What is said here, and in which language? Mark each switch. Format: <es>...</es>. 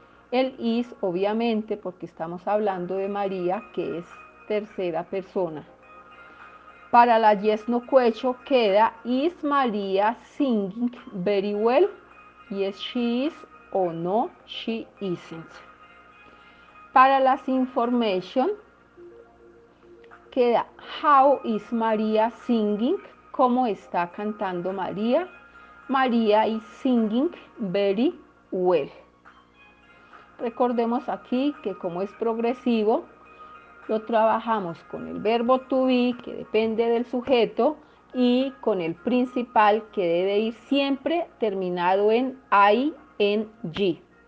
<es>El is, obviamente, porque estamos hablando de María, que es tercera persona. Para la</es> <en>yes no question queda is María singing very well? Yes, she is. O no, she isn't.</en> <es>Para las</es> <en>information queda how is María singing?</en> <es>¿Cómo está cantando María?</es> <en>María is singing very well.</en> <es>Recordemos aquí que como es progresivo, lo trabajamos con el verbo to be, que depende del sujeto, y con el principal, que debe ir siempre terminado en ing.</es>